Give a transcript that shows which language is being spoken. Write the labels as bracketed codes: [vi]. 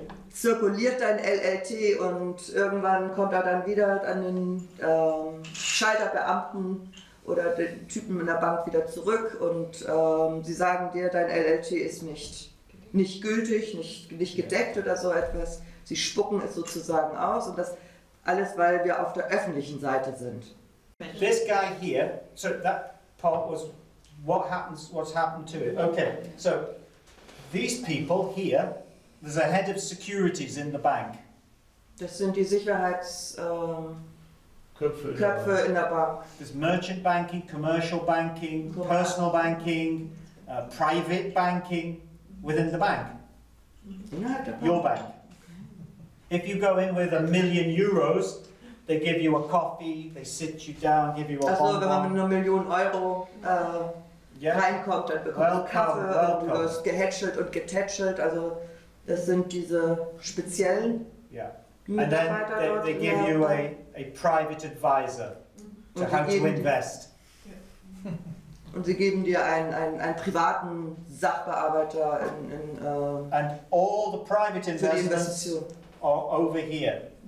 [de] zirkuliert dein LLT und irgendwann kommt er dann wieder an den Schalterbeamten oder den Typen in der Bank wieder zurück und sie sagen dir, dein LLT ist nicht gültig, nicht gedeckt oder so etwas. Sie spucken es sozusagen aus und das alles, weil wir auf der öffentlichen Seite sind. [en] This guy here, so that part was what happens, what's happened to it. Okay, so these people here, there's a head of securities in the bank. [de] Das sind die Sicherheitsköpfe in der Bank. [en] There's merchant banking, commercial banking, personal banking, private banking. Within the bank, your bank. If you go in with €1 million, they give you a coffee, they sit you down, give you a bonbon. [de] Also, wenn man mit €1 million reinkommt, dann bekommt man Kaffee und du wirst gehätschelt und getätschelt. Also, das sind diese speziellen. Yeah. [en] And then they give you a private advisor to how to invest. [de] Und sie geben dir einen privaten Sachbearbeiter in [en] and all the private investments are over here.